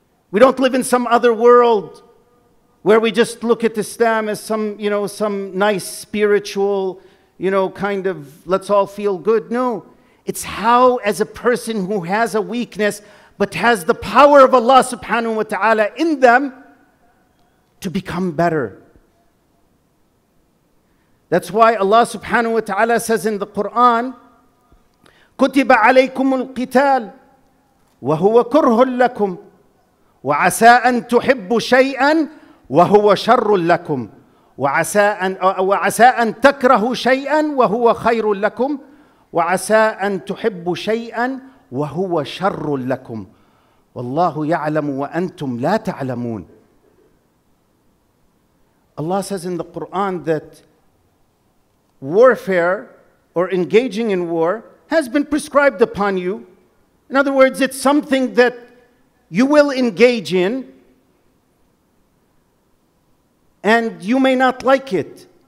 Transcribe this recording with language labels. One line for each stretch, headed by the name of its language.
English: We don't live in some other world where we just look at Islam as some nice spiritual, kind of let's all feel good. No, it's how, as a person who has a weakness but has the power of Allah subhanahu wa ta'ala in them, to become better. That's why Allah subhanahu wa ta'ala says in the Quran,
Arabic: كُتِبَ عَلَيْكُمُ الْقِتَالِ وَهُوَ كُرْهٌ لَكُمْ وَعَسَىٰ أَن تُحِبُّ شَيْئًا وَهُوَ شَرٌ لَكُمْ وَعَسَىٰ أَن تَكْرَهُ شَيْئًا وَهُوَ خَيْرٌ لَكُمْ وَعَسَىٰ أَن تُحِبُّ شَيْئًا وَهُوَ شَرٌ لَكُمْ وَاللَّهُ يَعْلَمُ وَأَنْتُمْ لَا تَعْلَمُونَ.
English: Allah says in the Quran that warfare or engaging in war has been prescribed upon you. In other words, it's something that you will engage in, and you may not like it.